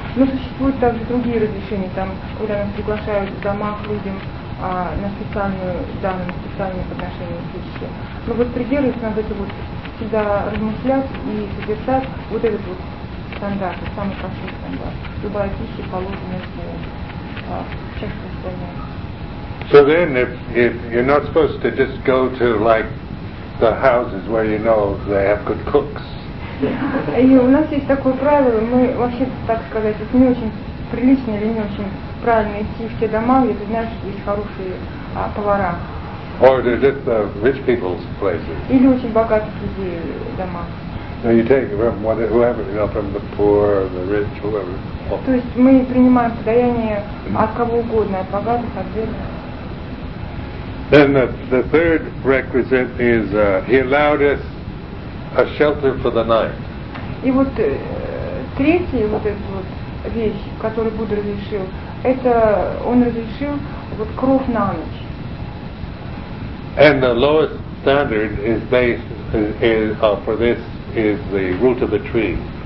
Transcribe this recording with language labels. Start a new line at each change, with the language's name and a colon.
Russian: Но существуют также другие разрешения, там, когда нас приглашают в домах людям на специальную данную, специальное подношение пищи. Но вот придерживаться надо это вот всегда размышлять и содержать вот этот вот стандарт, самый простой стандарт. Любая пища положена в чашу стандарта.
English: So then if you're not supposed to just go to like the houses where you know they have good cooks.
Russian: И у нас есть такое правило, мы вообще так сказать, это не очень прилично или не очень правильно идти в те дома, где ты знаешь, что есть хорошие повара.
English: Or to just the rich people's places.
Russian: Или очень богатых людей дома.
English: So you take from whoever, you know, from the poor, the rich, whoever.
Russian: То есть мы принимаем подаяние от кого угодно, от богатых, от бедных.
English: Then the third requisite is he allowed us a shelter for the night.
Russian: И вот третья вот эта вот вещь, которую Будда разрешил, это он разрешил вот кров на ночь.
English: And the lowest standard is based for this is the root of the tree.